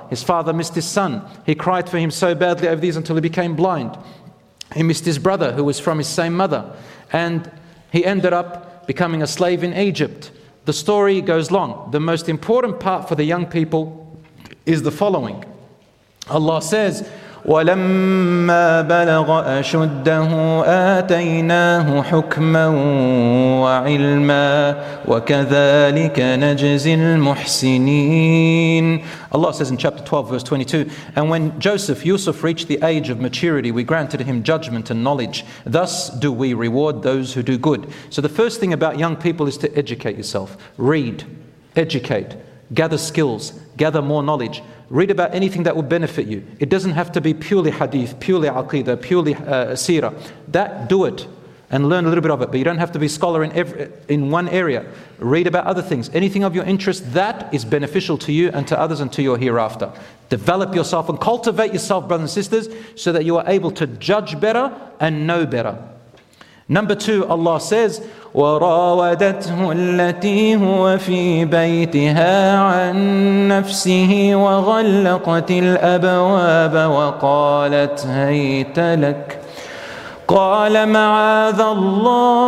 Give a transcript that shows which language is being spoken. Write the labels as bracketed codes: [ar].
[en] His father missed his son. He cried for him so badly over these until he became blind. He missed his brother, who was from his same mother. And he ended up becoming a slave in Egypt. The story goes long. The most important part for the young people is the following. Allah says, [ar] وَلَمَّا بَلَغَ أَشُدَّهُ آتَيْنَاهُ حُكْمًا وَعِلْمًا وَكَذَلِكَ نَجْزِي الْمُحْسِنِينَ. [en] Allah says in chapter 12, verse 22, and when Yusuf reached the age of maturity, we granted him judgment and knowledge. Thus do we reward those who do good. So the first thing about young people is to educate yourself. Read, educate, gather skills, gather more knowledge. Read about anything that will benefit you. It doesn't have to be purely hadith, purely aqidah, purely seerah. That, do it and learn a little bit of it. But you don't have to be a scholar in one area. Read about other things. Anything of your interest that is beneficial to you and to others and to your hereafter. Develop yourself and cultivate yourself, brothers and sisters, so that you are able to judge better and know better. Number two, Allah says, [ar] وَرَاوَدَتْهُ الَّتِي هُوَ فِي بَيْتِهَا عَن نَفْسِهِ وَغَلَّقَتِ الْأَبْوَابَ وَقَالَتْ هَيْتَ لَكَ قَالَ مَعَاذَ اللَّهِ